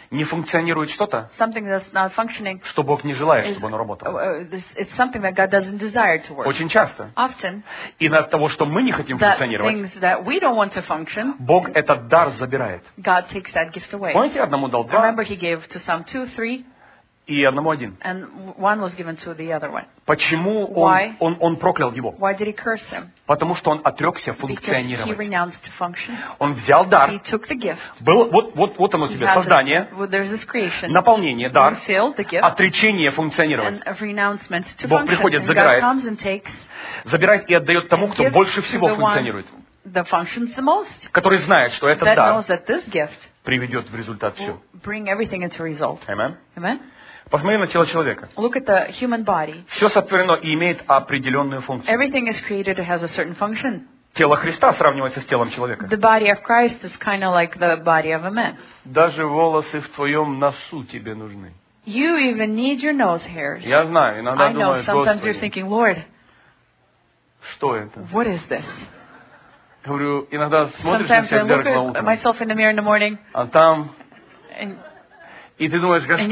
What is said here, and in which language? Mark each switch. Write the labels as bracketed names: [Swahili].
[Russian] Не функционирует что-то. [English] Something that's not functioning. [Russian] Что Бог не желает, чтобы оно работало. [English] It's something that God doesn't desire to work. [Russian] Очень часто. [English] Often. [Russian] И на того, что мы не хотим функционировать. [English] Things that we don't want to function. [Russian] Бог этот дар забирает. [English] God takes that gift away. [Russian] Помните, одному дал. [English] Remember, he gave to some 2, 3, [Russian] и одному один. [English] And one was given to the other one. [Russian] Почему он проклял его? [English] Why did he curse him? [Russian] Потому что он отрекся функционировать. [English] Because he renounced to function. [Russian] Он взял дар. [English] He took the gift. [Russian] Был, вот оно тебе, создание, [English] there's this creation. [Russian] Наполнение, дар, [English] he filled the gift. [Russian] Отречение функционировать. [English] And renouncement to function. [Russian] Бог приходит, забирает. [English] And God comes and takes, [Russian] забирает и отдает тому, кто больше всего функционирует. [English] The functions the most, [Russian] который знает, что этот [English] that [Russian] дар [English] knows that this gift [Russian] приведет в результат все. [English] Bring everything into result. Amen. Amen. [Russian] Посмотри на тело человека. [English] Look at the human body. [Russian] Все сотворено и имеет определенную функцию. [English] Everything is created, it has a certain function. [Russian] Тело Христа сравнивается с телом человека. [English] The body of Christ is kind of like the body of a man. [Russian] Даже волосы в твоем носу тебе нужны. [English] You even need your nose hairs. [Russian] Я знаю, иногда [English] I know, sometimes [Russian] Господи, [English] you're thinking, Lord, [Russian] что это? [English] What is this? [Russian] Говорю, иногда смотришь на себя в зеркало утром. [English] Myself in the mirror in the morning, [Russian] а там... И ты думаешь, Господи,